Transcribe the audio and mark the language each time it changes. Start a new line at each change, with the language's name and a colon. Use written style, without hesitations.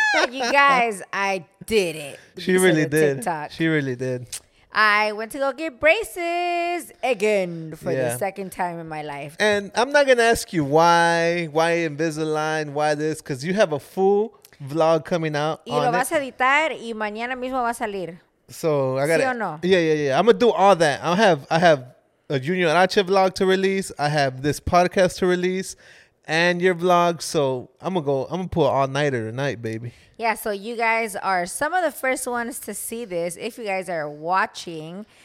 English: You guys, I did it. She really did. TikTok. She really did. I went to go get braces again for the second time in my life. And I'm not going to ask you why Invisalign, why this, because you have a full vlog coming out.
Spanish: Y lo vas a editar y mañana mismo va a salir.
English: So I got
Spanish: it. ¿Sí o no?
English: Yeah. I'm going to do all that. I have a Junior Arache vlog to release. I have this podcast to release and your vlog. So I'm going to pull all nighter tonight, baby. Yeah, so you guys are some of the first ones to see this if you guys are watching.